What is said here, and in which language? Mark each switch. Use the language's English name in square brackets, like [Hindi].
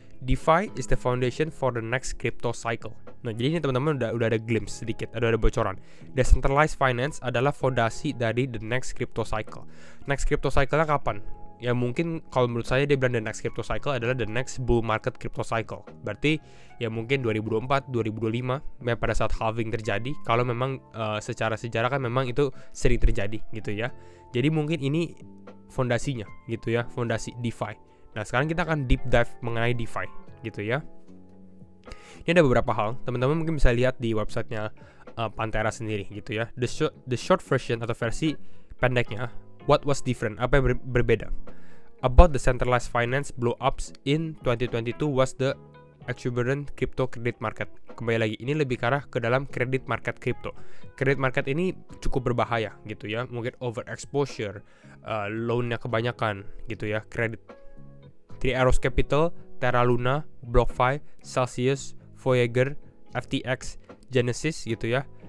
[English] DeFi is the foundation for the next crypto cycle. [Indonesian] Nah, jadi ini teman-teman udah ada glimpse sedikit, ada bocoran. [English] Decentralized finance [Indonesian] adalah fondasi dari [English] the next crypto cycle. [Indonesian] Next crypto cycle-nya kapan? Ya mungkin kalau menurut saya dia bilang the next crypto cycle adalah [English] the next bull market crypto cycle. [Indonesian] Berarti ya mungkin 2024, 2025, ya pada saat halving terjadi. Kalau memang secara sejarah kan memang itu sering terjadi gitu ya. Jadi mungkin ini fondasinya gitu ya, fondasi DeFi. Nah, sekarang kita akan deep dive mengenai DeFi gitu ya. Ini ada beberapa hal, teman-teman mungkin bisa lihat di website-nya Pantera sendiri gitu ya. [English] The short version [Indonesian] atau versi pendeknya, [English] what was different, [Indonesian] apa yang berbeda. [English] About the centralized finance blow ups in 2022 was the exuberant crypto credit market. [Indonesian] Kembali lagi, ini lebih ke arah ke dalam credit market crypto. Credit market ini cukup berbahaya gitu ya. Mungkin overexposure, loan-nya kebanyakan gitu ya, credit. Three Arrows Capital, Terra Luna, BlockFi, Celsius, Voyager, FTX, Genesis gitu ya.